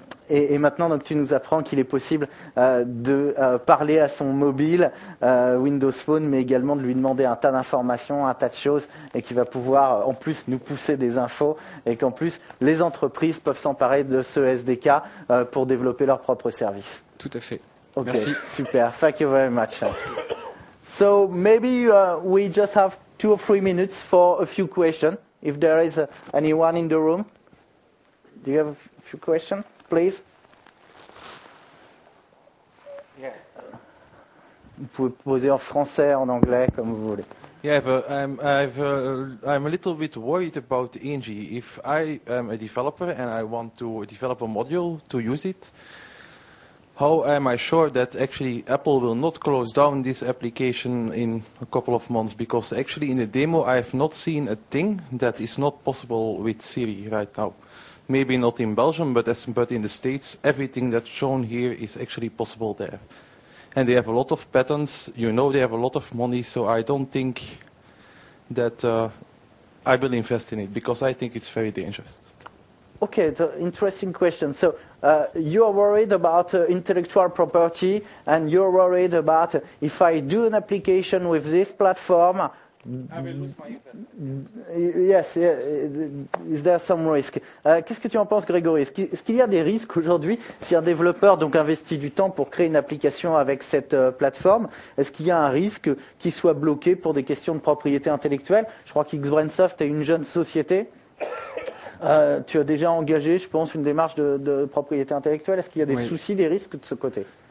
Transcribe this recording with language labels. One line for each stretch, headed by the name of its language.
French: Et maintenant, donc, tu nous apprends qu'il est possible de parler à son mobile, Windows Phone, mais également de lui demander un tas d'informations, un tas de choses, et qu'il va pouvoir en plus nous pousser des infos, et qu'en plus, les entreprises peuvent s'emparer de ce SDK pour développer leurs propres services. Tout à fait.
English: Okay,
French: merci.
English: Super. Thank you very much. So maybe we just have 2 or 3 minutes for a few questions, if there is anyone in the room. Do you have a few questions? Please. Yeah.
French: Vous pouvez poser en français, en anglais, comme vous voulez.
English: Yeah, but I'm a little bit worried about Engie. If I am a developer and I want to develop a module to use it, how am I sure that actually Apple will not close down this application in a couple of months? Because actually in the demo I have not seen a thing that is not possible with Siri right now. Maybe not in Belgium, but in the States, everything that's shown here is actually possible there. And they have a lot of patents. You know, they have a lot of money, so I don't think that I will invest in it, because I think it's very dangerous. Okay, it's an interesting question. So you are worried about intellectual property, and you're worried about if I do an application with this platform, is there some risk?
French: Qu'est-ce que tu en penses, Grégory? Est-ce qu'il y a des risques aujourd'hui si un développeur donc investit du temps pour créer une application avec cette plateforme? Est-ce qu'il y a un risque qu'il soit bloqué pour des questions de propriété intellectuelle? Je crois qu'XBrainSoft est une jeune société. Tu as déjà engagé, je pense, une démarche de propriété intellectuelle. Est-ce qu'il y a des soucis, des risques de ce côté?